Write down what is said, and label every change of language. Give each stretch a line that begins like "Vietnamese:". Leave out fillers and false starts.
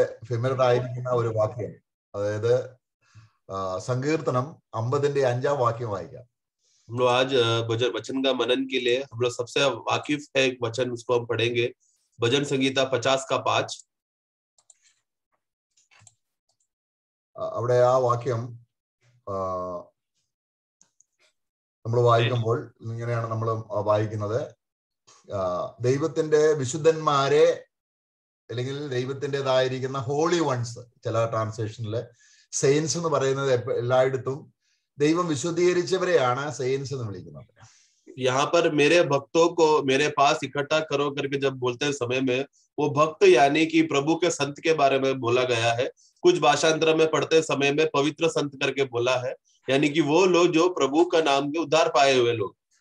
Malayalam: ഫിമിനായിരിക്കുന്ന ഒരു വാക്യം, അതായത് സങ്കീർത്തനം 50 അഞ്ചാം വാക്യം വായിക്കാം.
Hindi: हम लोग आज वचन का मनन के लिए हम लोग सबसे वाकिफ है एक वचन, उसको हम पढ़ेंगे. भजन संहिता 50:5
Malayalam: अवड़े आ वाक्यम നമ്മൾ വായിക്കുമ്പോൾ ഇങ്ങനെയാണ് നമ്മൾ വായിക്കുന്നത്. ദൈവത്തിന്റെ വിശുദ്ധന്മാരെ, അല്ലെങ്കിൽ ദൈവത്തിൻ്റെതായിരിക്കുന്ന ഹോളി വൺസ്, ചില ട്രാൻസ്ലേഷനില് സെയിൻസ് എന്ന് പറയുന്നത്, എല്ലായിടത്തും ദൈവം വിശുദ്ധീകരിച്ചവരെയാണ് സെയിൻസ് എന്ന് വിളിക്കുന്നത്.
Hindi: यहाँ पर मेरे भक्तों को मेरे पास इकट्ठा करो करके जब बोलते हैं समय में, वो भक्त यानी कि प्रभु के संत के बारे में बोला गया है. कुछ भाषांतर में पढ़ते समय में पवित्र संत करके बोला है, यानी कि वो लोग जो प्रभु का नाम के उद्धार पाए हुए लोग.